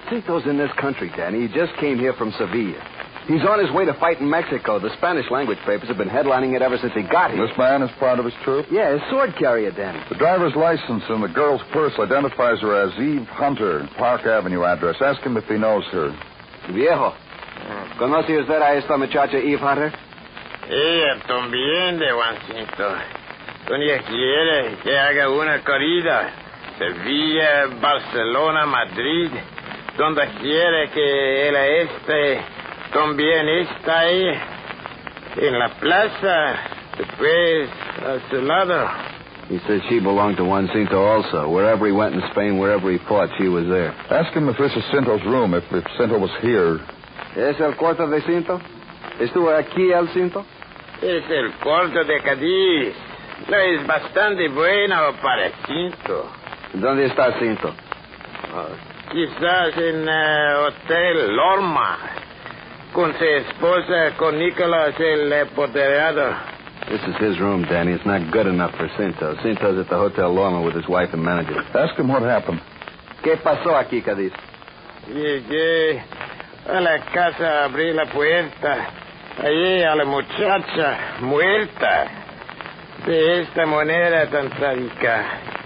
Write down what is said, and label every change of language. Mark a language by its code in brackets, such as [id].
[en] Cinto's in this country, Danny. He just came here from Sevilla. He's on his way to fight in Mexico. The Spanish language papers have been headlining it ever since he got here. This man is part of his troop? Yeah, his sword carrier, Danny. The driver's license and the girl's purse identifies her as Eve Hunter, Park Avenue address. Ask him if he knows her. [es] Viejo. ¿Conoce usted a esta muchacha, Eve Hunter? Ella también de Juancito. Ella quiere que haga una corrida. Sevilla, Barcelona, Madrid. Donde quiere que él esté, también está ahí. En la plaza, después a su lado. [en] He said she belonged to Juancito also. Wherever he went in Spain, wherever he fought, she was there. Ask him if this is Cinto's room, if Cinto was here. [es] ¿Es el cuarto de Cinto? ¿Estuvo aquí el Cinto? Es el cuarto de Cadiz. No es bastante bueno para Cinto. ¿Dónde está Cinto? Quizás en el Hotel Lorma. Con su esposa, con Nicolás, el apoderado. [en] This is his room, Danny. It's not good enough for Cinto. Cinto's at the Hotel Lorma with his wife and manager. Ask him what happened. [es] ¿Qué pasó aquí, Cadiz? Llegué a la casa, abrí la puerta. Allí a la muchacha muerta. De esta manera tan trágica.